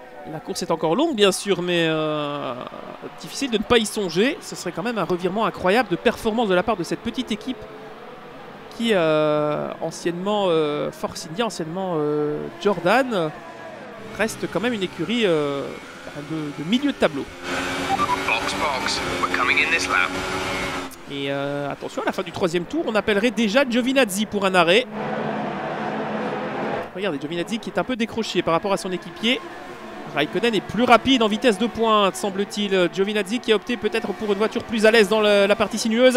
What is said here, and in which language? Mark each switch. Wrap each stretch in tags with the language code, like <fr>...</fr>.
<fr>La course est encore longue, bien sûr, mais difficile de ne pas y songer. Ce serait quand même un revirement incroyable de performance de la part de cette petite équipe qui, anciennement Force India, anciennement Jordan, reste quand même une écurie de milieu de tableau.</fr> <en>Box, we're coming in this lap.</en> <fr>Et attention, à la fin du troisième tour, on appellerait déjà Giovinazzi pour un arrêt. Regardez, Giovinazzi qui est un peu décroché par rapport à son équipier. Raikkonen est plus rapide en vitesse de pointe, semble-t-il. Giovinazzi qui a opté peut-être pour une voiture plus à l'aise dans la partie sinueuse.</fr>